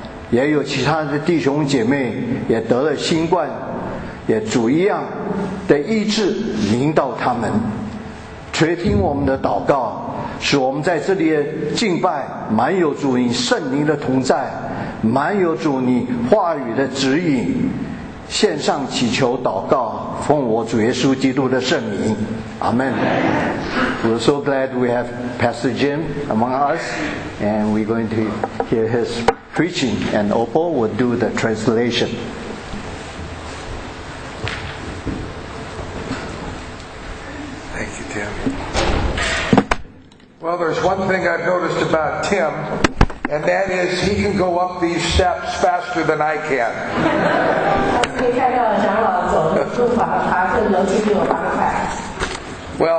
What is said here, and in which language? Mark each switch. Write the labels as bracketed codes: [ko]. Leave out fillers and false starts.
[zh] 也有其他的弟兄姐妹也得了新冠，也主一样的医治临到他们，垂听我们的祷告，使我们在这里敬拜满有主你圣灵的同在，满有主你话语的指引，献上祈求祷告，奉我主耶稣基督的圣名，阿门。 [en] We're so glad we have Pastor Jim among us, and we're going to hear his preaching, and Opal will do the translation. Thank you, Tim. Well, there's one thing I've noticed about Tim, and that is he can go up these steps faster than I can. [zh] 可以看到长老走的步伐，爬这个楼梯比我爬得快。 [en] Well,